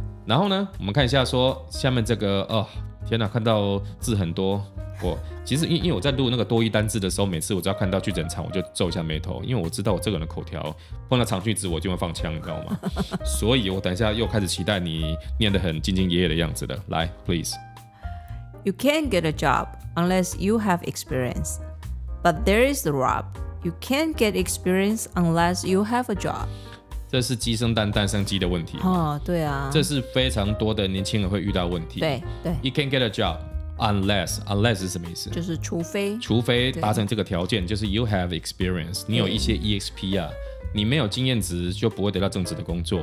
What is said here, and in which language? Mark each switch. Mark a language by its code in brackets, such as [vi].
[zh] 然后呢，我们看一下说下面这个哦，天哪，看到字很多。我其实因为我在录那个多义单字的时候，每次我只要看到句子很长，我就皱一下眉头，因为我知道我这个人的口条碰到长句子我就会放枪，你知道吗？所以我等一下又开始期待你念得很兢兢业业的样子了。来 ，please。 [en] You can't get a job unless you have experience, but there is the rub. You can't get experience unless you have a job. [zh] 这是鸡生蛋蛋生鸡的问题、哦、对啊，这是非常多的年轻人会遇到问题。对对， [en] You can't get a job unless [zh] 是什么意思？就是除非达成这个条件，就是 [en] you have experience, [zh] 你有一些 EXP 啊，你没有经验值就不会得到正职的工作。